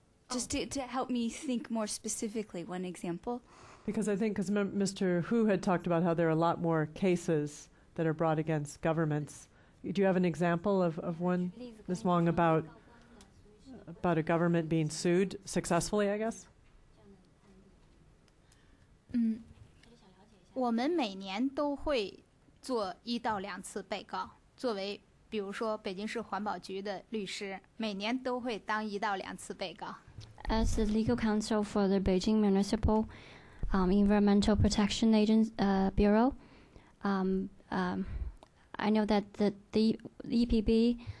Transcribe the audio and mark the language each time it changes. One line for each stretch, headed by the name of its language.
English: Just to help me think more specifically, one example. Because I think, because Mr. Hu had talked about how there are a lot more cases that are brought against governments. Do you have an example of one, Ms. Wang, about a government being sued successfully, I guess?
Chinese: 我们每年都会做一到两次被告，作为比如说北京市环保局的律师，每年都会当一到两次被告。
English: As the legal counsel for the Beijing Municipal Environmental Protection Agency Bureau, I know that the EPB